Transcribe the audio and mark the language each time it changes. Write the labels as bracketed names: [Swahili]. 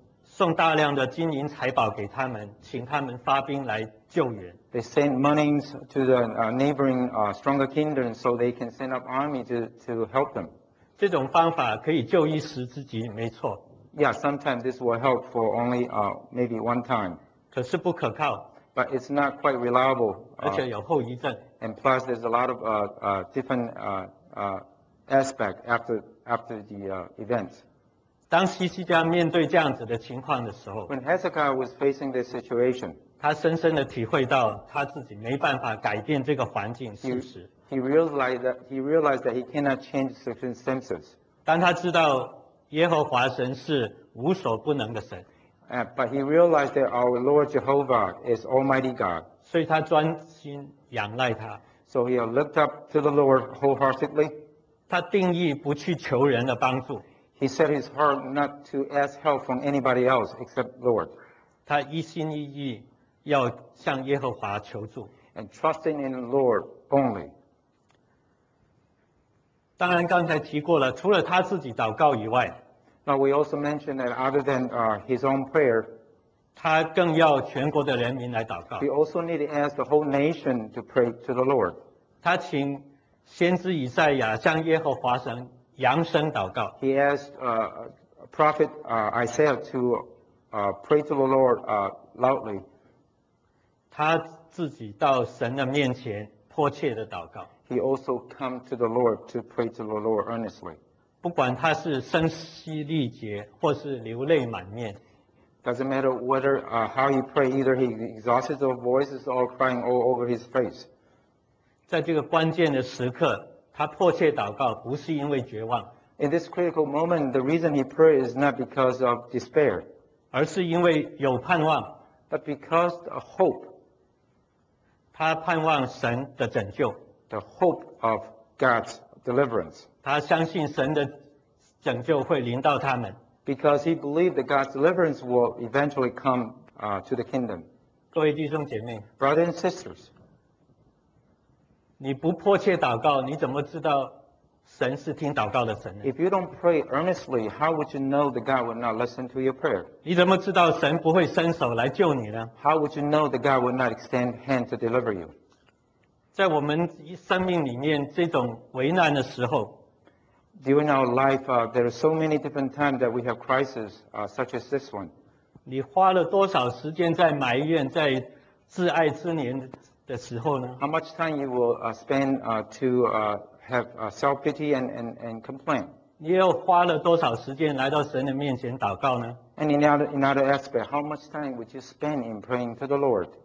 [Chinese] 送大量的金银财宝给他们，请他们发兵来救援。 [English] They send monies to the neighboring stronger kingdoms so they can send up army to help them. [Chinese] 这种方法可以救一时之急，没错。 [English] Yeah, sometimes this will help for only maybe one time. [Chinese] 可是不可靠。 [English] But it's not quite reliable. [Chinese] 而且有后遗症。 [English] And plus, there's a lot of different aspect after the event. [Chinese] 当西西家面对这样子的情况的时候， [English] When Hezekiah was facing this situation, [Chinese] 他深深地体会到他自己没办法改变这个环境事实。 [English] He realized that he cannot change circumstances. [Chinese] 当他知道耶和华神是无所不能的神。 [English] But he realized that our Lord Jehovah is Almighty God. [Chinese] 所以他专心仰赖他。 [English] So he looked up to the Lord wholeheartedly. [Chinese] 他定义不去求人的帮助。 [English] He set his heart not to ask help from anybody else except Lord. [Chinese] 他一心一意要向耶和华求助。 [English] And trusting in the Lord only. [Chinese] 当然刚才提过了，除了他自己祷告以外， [English] Now we also mentioned that other than his own prayer, [Chinese] 他更要全国的人民来祷告。 [English] He also need to ask the whole nation to pray to the Lord. [Chinese] 他请先知以赛亚向耶和华神扬声祷告。 [English] He asked prophet Isaiah to pray to the Lord loudly. [Chinese] 他自己到神的面前迫切的祷告。 [English] He also come to the Lord to pray to the Lord earnestly. [Chinese] 不管他是声嘶力竭或是流泪满面， [English] Doesn't matter whether how he pray, either he exhausted his voice or crying all over his face. [Chinese] 在这个关键的时刻，他迫切祷告不是因为绝望。 [English] In this critical moment, the reason he pray is not because of despair, [Chinese] 而是因为有盼望。 [English] But because of hope, [Chinese] 他盼望神的拯救。 [English] The hope of God's deliverance. [Chinese] 他相信神的拯救会临到他们。 [English] Because he believed that God's deliverance will eventually come to the kingdom. [Chinese] 各位弟兄姐妹， [English] Brothers and sisters, [Chinese] 你不迫切祷告，你怎么知道神是听祷告的神呢？ [English] If you don't pray earnestly, how would you know that God would not listen to your prayer? [Chinese] 你怎么知道神不会伸手来救你呢？ [English] How would you know that God would not extend hand to deliver you? [Chinese] 在我们生命里面这种危难的时候， [English] During our life, there are so many different times that we have crises, such as this one. [Chinese] 你花了多少时间在埋怨，在自爱之年的时候呢？ [English] How much time you will spend to have self-pity and complain? [Chinese] 你又花了多少时间来到神的面前祷告呢？ [English] And in another aspect, how much time would you spend in praying to the Lord?